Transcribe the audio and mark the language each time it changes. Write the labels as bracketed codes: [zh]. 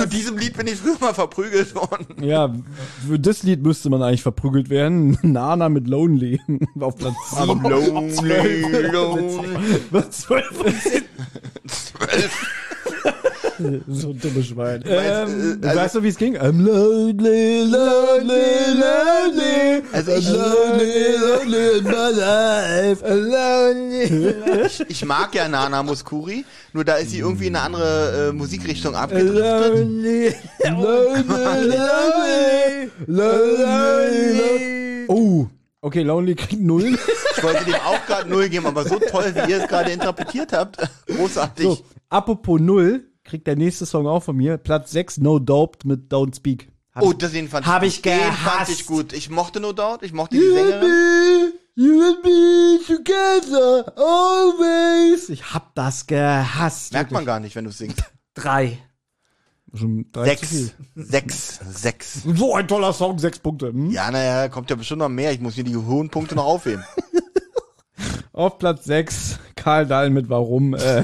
[de] Zu diesem Lied bin ich früher mal verprügelt worden. Ja, für das Lied müsste man eigentlich verprügelt werden. Nana mit Lonely auf Platz 7. Lonely. Was? 12? 12. So ein dummes Schwein. Also, weißt du, wie es ging? [en] I'm lonely, lonely, lonely. [de] Also ich, [en] lonely, lonely in my life. I'm lonely. [de] Ich mag ja Nana Mouskouri, nur da ist sie irgendwie in eine andere Musikrichtung abgedriftet. [en] Lonely, lonely, lonely, lonely, lonely. [de] Oh, okay, Lonely kriegt null. Ich wollte dem auch gerade null geben, aber so toll, wie ihr es gerade interpretiert habt, großartig. So, apropos null, kriegt der nächste Song auch von mir. Platz 6, No Doubt mit Don't Speak. Oh, das den fand ich gut. Den fand ich gut. Ich mochte No Doubt, ich mochte die Sängerin. [en] You and me together, always. [de] Ich hab das gehasst. Merkt wirklich. Man gar nicht, wenn du singst. Drei. Schon drei sechs. Zu viel. Sechs. So ein toller Song, 6 Punkte. Hm? Ja, naja, kommt ja bestimmt noch mehr. Ich muss mir die hohen Punkte noch aufheben. Auf Platz 6, Karl Dahl mit Warum.